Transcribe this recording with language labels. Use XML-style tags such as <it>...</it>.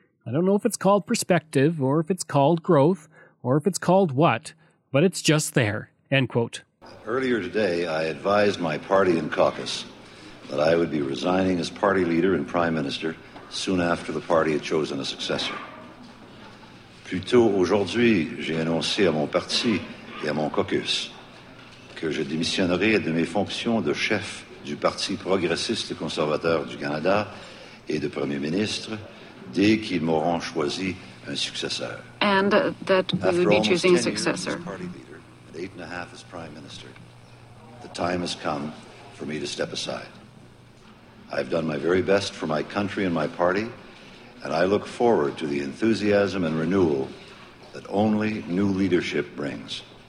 <en>I don't know if it's called perspective, or if it's called growth, or if it's called what, but it's just there." End quote. Earlier today, I advised my party and caucus that I would be resigning as party leader and prime minister soon after the party had chosen a successor.</en> <fr>Plus tôt aujourd'hui, j'ai annoncé à mon parti et à mon caucus que je démissionnerai de mes fonctions de chef du Parti progressiste conservateur du Canada et de premier ministre dès qu'ils m'auront choisi un successeur.</fr> <en>And that we after would be choosing a successor. After party leader and 8.5 as prime minister, the time has come for me to step aside. I've done my very best for my country and my party, and I look forward to the enthusiasm and renewal that only new leadership brings.</en>